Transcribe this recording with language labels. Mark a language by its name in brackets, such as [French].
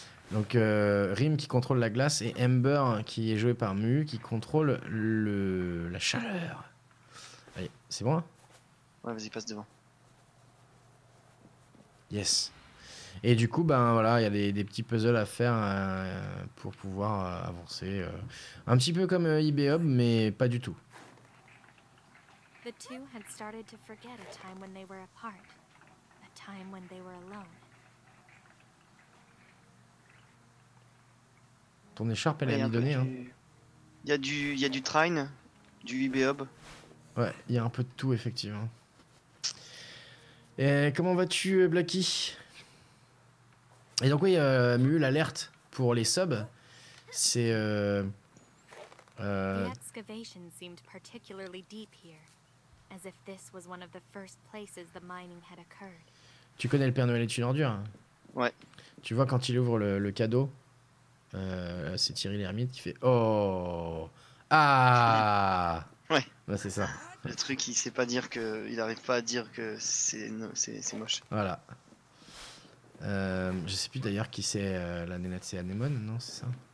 [French] Donc Rim qui contrôle la glace et Ember qui est joué par Mu qui contrôle la chaleur. Allez, c'est bon hein? Ouais, vas-y, passe devant. [English] Yes. [French] Et du coup, ben voilà, il y a des petits puzzles à faire pour pouvoir avancer. Un petit peu comme IBOB, mais pas du tout. [English] The two had started to forget a time when they were apart. A time when they were alone. [French] Ton écharpe, elle ouais, a mis donné. Il hein. y a du Trine, du IBOB. Ouais, il y a un peu de tout, effectivement. Et comment vas-tu, Blacky? Et donc, oui, Mu, l'alerte pour les subs, c'est. L'excavation semble particulièrement [English] deep here, as if this was one of the first places the mining had occurred. [French] Tu connais le Père Noël est une ordure. Hein? Ouais. Tu vois, quand il ouvre le cadeau. C'est Thierry l'ermite qui fait oh ah ouais bah c'est ça le truc il sait pas dire que il arrive pas à dire que c'est moche voilà je sais plus d'ailleurs qui c'est la nénette c'est Anémone non c'est ça